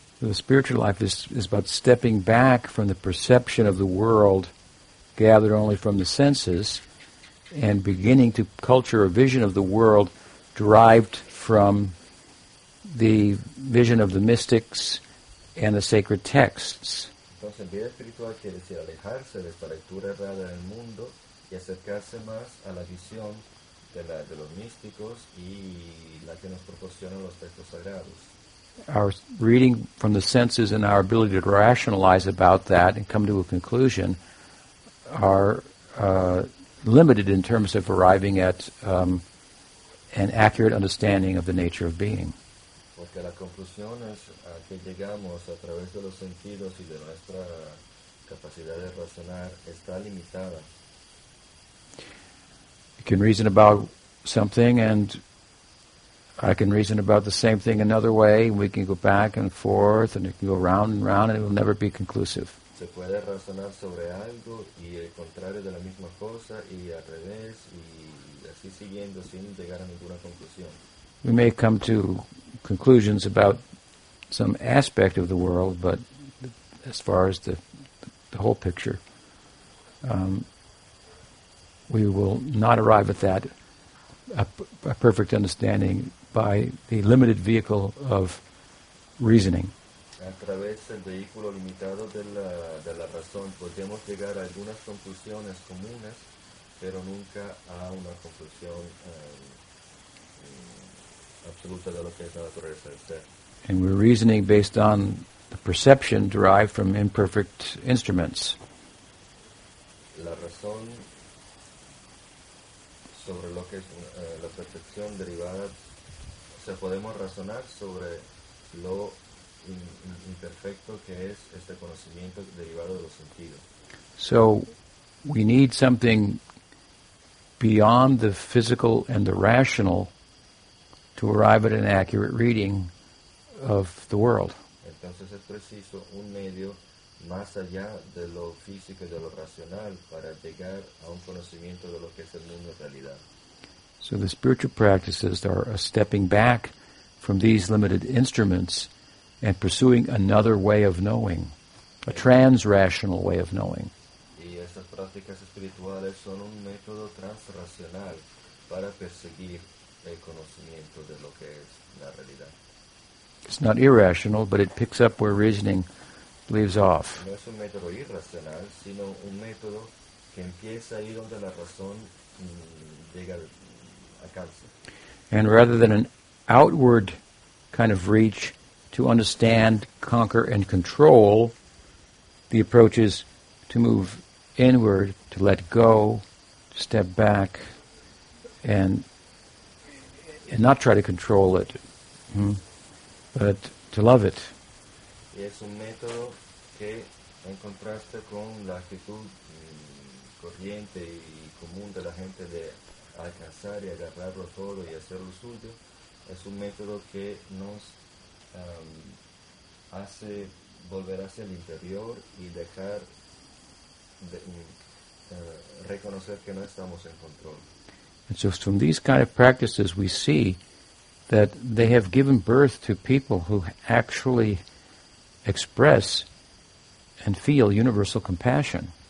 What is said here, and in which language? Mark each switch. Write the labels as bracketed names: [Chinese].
[English] The spiritual life is about stepping back from the perception of the world gathered only from the senses and beginning to culture a vision of the world derived from the vision of the mystics and the sacred texts. [Spanish] Entonces, vida espiritual quiere decir alejarse de esta lectura errada del mundo y acercarse más a la visión de los místicos y la que nos proporcionan los textos sagrados. [English] Our reading from the senses and our ability to rationalize about that and come to a conclusion are limited in terms of arriving at an accurate understanding of the nature of being. [Spanish] Porque la conclusión es a que llegamos a través de los sentidos y de nuestra capacidad de razonar está limitada. [English] You can reason about something and I can reason about the same thing another way. We can go back and forth and it can go round and round and it will never be conclusive. [Spanish] Se puede razonar sobre algo y el contrario de la misma cosa y al revés y así siguiendo sin llegar a ninguna conclusión. [English] We may come to conclusions about some aspect of the world, but as far as the whole picture, we will not arrive at that a perfect understanding by the limited vehicle of reasoning. [Spanish] A través del vehículo limitado de la razón podemos llegar a algunas conclusiones comunes, pero nunca a una conclusión absoluta de lo que es la naturaleza del ser. [English] And we're reasoning based on the perception derived from imperfect instruments. [Spanish] La razón sobre lo que es la percepción derivada, o sea, podemos razonar sobre lo imperfecto que es este conocimiento derivado de los sentidos. [English] So we need something beyond the physical and the rational to arrive at an accurate reading of the world. [Spanish] Entonces es preciso un medio más allá de lo físico y de lo racional para llegar a un conocimiento de lo que es el mundo en realidad. [English] So the spiritual practices are a stepping back from these limited instruments and pursuing another way of knowing, a transrational way of knowing. [Spanish] Y estas prácticas espirituales son un método transracional para perseguir el conocimiento de lo que es la realidad. [English] It's not irrational, but it picks up where reasoning leaves off. [Spanish] No es un método irracional, sino un método que empieza ahí donde la razón llega a cansar. [English] And rather than an outward kind of reach to understand, conquer, and control, the approach is to move inward, to let go, to step back, and not try to control it. But to love it. [Spanish] Y es un método que, en contraste con la actitud corriente y común de la gente de alcanzar y agarrarlo todo y hacerlo suyo, es un método que nos hace volver hacia el interior y dejar de, reconocer que no estamos en control. [English] And so from these kind of practices we see that they have given birth to people who actually express and feel universal compassion.